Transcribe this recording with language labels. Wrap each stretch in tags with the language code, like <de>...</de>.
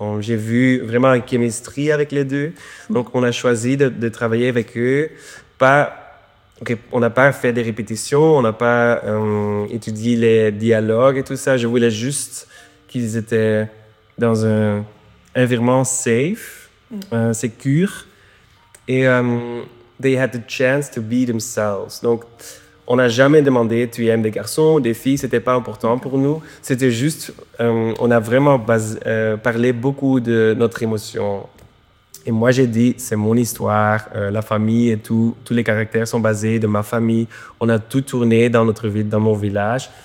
<fr>J'ai vu vraiment une chemistry avec les deux. Donc, on a choisi de travailler avec eux. On n'a pas fait des répétitions, on n'a pas étudié les dialogues et tout ça. Je voulais juste qu'ils étaient dans un environnement safe, sécure.</fr> <en>Et they had the chance to be themselves.</en> <fr>Donc, on n'a jamais demandé, tu aimes des garçons ou des filles, ce n'était pas important pour nous. C'était juste, on a vraiment parlé beaucoup de notre émotion. Et moi, j'ai dit, c'est mon histoire, la famille et tout. Tous les caractères sont basés de ma famille. On a tout tourné dans notre ville, dans mon village.</fr>